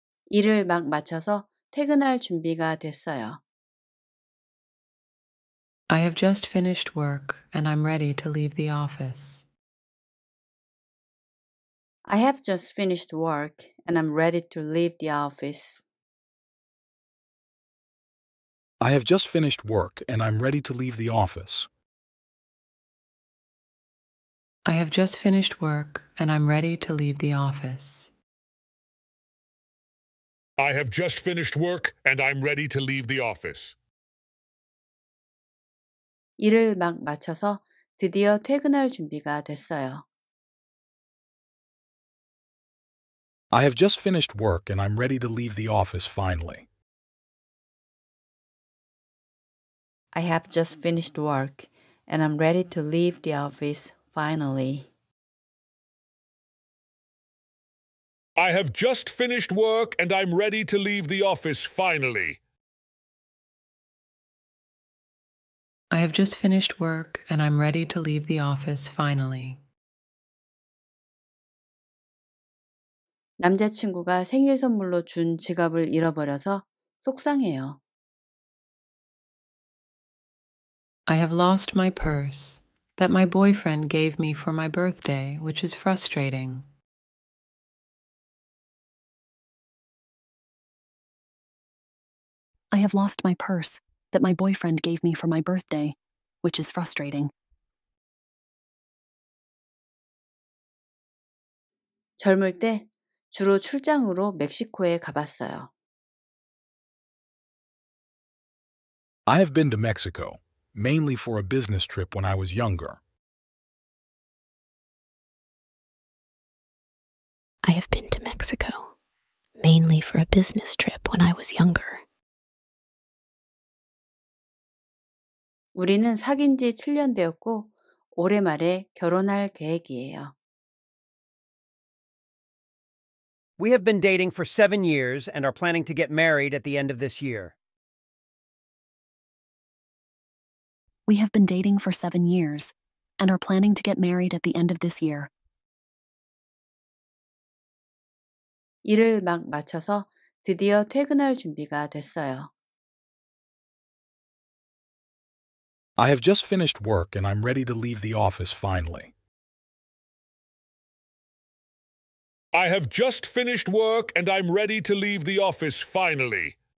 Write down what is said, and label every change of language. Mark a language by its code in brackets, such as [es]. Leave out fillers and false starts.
[ko] 일을 막 마쳐서 퇴근할 준비가 됐어요. [en] I have just finished work and I'm ready to leave the office. I have just finished work and I'm ready to leave the office. I have just finished work and I'm ready to leave the office. I have just finished work and I'm ready to leave the office. I have just finished work and I'm ready to leave the office. [ko] 일을 막 마쳐서 드디어 퇴근할 준비가 됐어요. [en] I have just finished work and I'm ready to leave the office finally. I have just finished work and I'm ready to leave the office finally. I have just finished work and I'm ready to leave the office finally. I have just finished work and I'm ready to leave the office finally. [ko] 남자친구가 생일 선물로 준 지갑을 잃어버려서 속상해요. [en] I have lost my purse that my boyfriend gave me for my birthday, which is frustrating. I have lost my purse that my boyfriend gave me for my birthday, which is frustrating. [ko] 젊을 때 주로 출장으로 멕시코에 가봤어요. [en] I have been to Mexico, mainly for a business trip when I was younger. I have been to Mexico, mainly for a business trip when I was younger. [ko] 우리는 사귄 지 7년 되었고, 올해 말에 결혼할 계획이에요. [en] We have been dating for 7 years and are planning to get married at the end of this year. We have been dating for 7 years and are planning to get married at the end of this year. [ko] 일을 막 마쳐서 드디어 퇴근할 준비가 됐어요. [en] I have just finished work and I'm ready to leave the office finally. I have just finished work and I'm ready to leave the office finally.